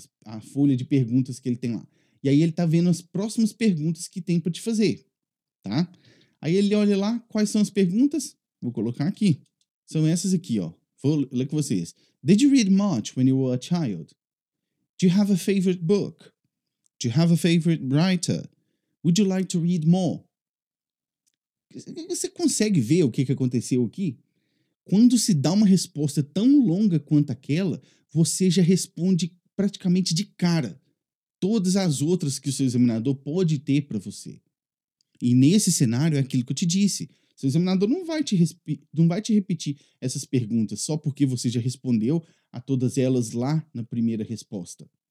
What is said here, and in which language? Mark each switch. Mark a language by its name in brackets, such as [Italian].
[Portuguese] A folha de perguntas que ele tem lá. E aí ele está vendo as próximas perguntas que tem para te fazer, tá? Aí ele olha lá, quais são as perguntas? Vou colocar aqui. São essas aqui, ó. Vou ler com vocês. [English] Did you read much when you were a child? Do you have a favorite book? Do you have a favorite writer? Would you like to read more? [Portuguese] Você consegue ver o que aconteceu aqui? Quando se dá uma resposta tão longa quanto aquela, você já responde praticamente de cara todas as outras que o seu examinador pode ter para você. E nesse cenário é aquilo que eu te disse. Seu examinador não vai te repetir essas perguntas só porque você já respondeu a todas elas lá na primeira resposta.